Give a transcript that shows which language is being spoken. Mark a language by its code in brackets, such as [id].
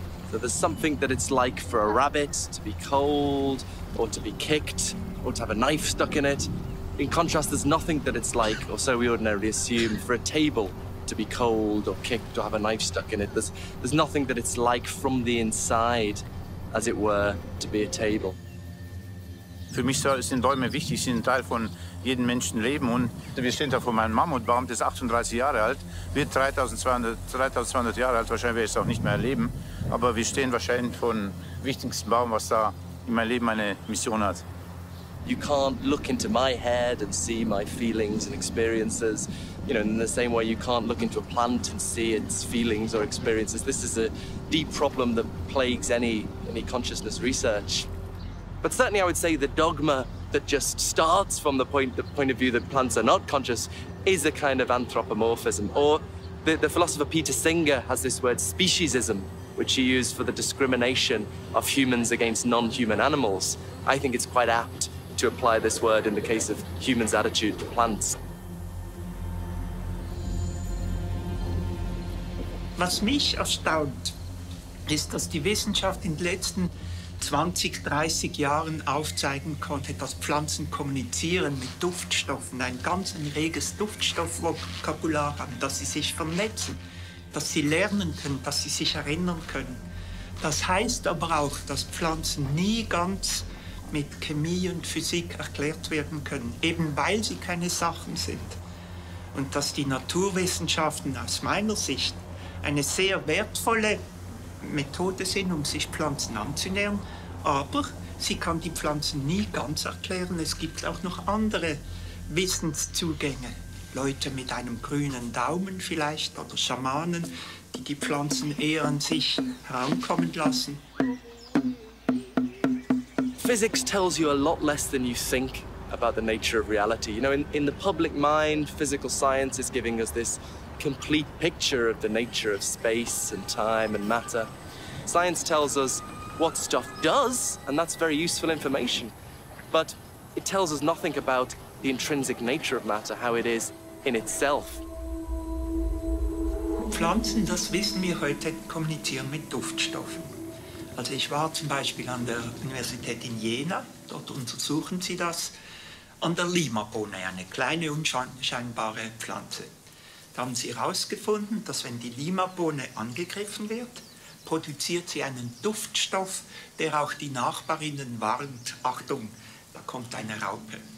[en] So there's something that it's like for a rabbit to be cold, or to be kicked, or to have a knife stuck in it. In contrast, there's nothing that it's like, or so we ordinarily assume, for a table to be cold, or kicked, or have a knife stuck in it. There's nothing that it's like from the inside, as it were, to be a table. [de] Für mich sind Bäume wichtig, sie sind ein Teil von jedem Menschenleben. Und wir stehen da vor meinem Mammutbaum, der ist 38 Jahre alt, wird 3200 Jahre alt, wahrscheinlich werde ich es auch nicht mehr erleben. Aber wir stehen wahrscheinlich vor dem wichtigsten Baum, was da in meinem Leben eine Mission hat. [en] You can't look into my head and see my feelings and experiences. You know, in the same way you can't look into a plant and see its feelings or experiences. This is a deep problem that plagues any consciousness research. But certainly I would say the dogma that just starts from the point of view that plants are not conscious is a kind of anthropomorphism. Or the philosopher Peter Singer has this word speciesism, which he used for the discrimination of humans against non-human animals. I think it's quite apt to apply this word in the case of humans' attitude to plants. [de] Was mich erstaunt, ist, dass die Wissenschaft in den letzten 20, 30 Jahren aufzeigen konnte, dass Pflanzen kommunizieren mit Duftstoffen, ein reges Duftstoffvokabular haben, dass sie sich vernetzen, dass sie lernen können, dass sie sich erinnern können. Das heißt aber auch, dass Pflanzen nie ganz mit Chemie und Physik erklärt werden können, eben weil sie keine Sachen sind. Und dass die Naturwissenschaften aus meiner Sicht eine sehr wertvolle Methoden sind, um sich Pflanzen anzunähern. Aber sie kann die Pflanzen nie ganz erklären. Es gibt auch noch andere Wissenszugänge. Leute mit einem grünen Daumen vielleicht oder Schamanen, die die Pflanzen eher an sich herankommen lassen. [en] Physics tells you a lot less than you think about the nature of reality. You know, in the public mind, physical science is giving us this complete picture of the nature of space and time and matter. Science tells us what stuff does, and that's very useful information. But it tells us nothing about the intrinsic nature of matter, how it is in itself. [de] Pflanzen, das wissen wir heute, kommunizieren mit Duftstoffen. Also ich war zum Beispiel an der Universität in Jena, dort untersuchen sie das, an der Limabohne, eine kleine unscheinbare Pflanze. Da haben sie herausgefunden, dass wenn die Limabohne angegriffen wird, produziert sie einen Duftstoff, der auch die Nachbarinnen warnt, Achtung, da kommt eine Raupe.